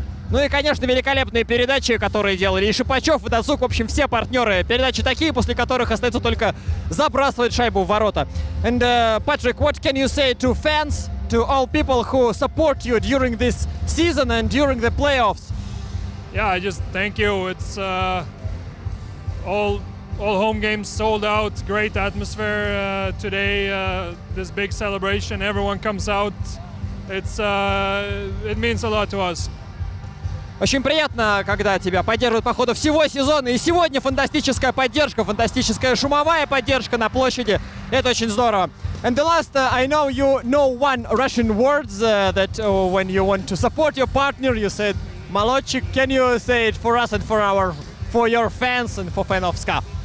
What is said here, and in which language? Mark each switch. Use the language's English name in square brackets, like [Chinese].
[Russian] Ну и, конечно, великолепные передачи, которые делали и Шипачев, и Датсук, в общем, все партнеры. Передачи такие, после которых остается только забрасывать шайбу в ворота. [English] And, Patrick, what can you say to fans, to all people who support you during this season and during the playoffs? Yeah, I just thank you. It's all home games sold out, great atmosphere today, this big celebration, everyone comes out. It's, it means a lot to us. [Russian] Очень приятно, когда тебя поддерживают по ходу всего сезона. И сегодня фантастическая поддержка, фантастическая шумовая поддержка на площади. Это очень здорово. [English] And the last, I know you know one Russian word that when you want to support your partner, you said "молодчик". Can you say it for us and for our, for your fans and for fan of SKA?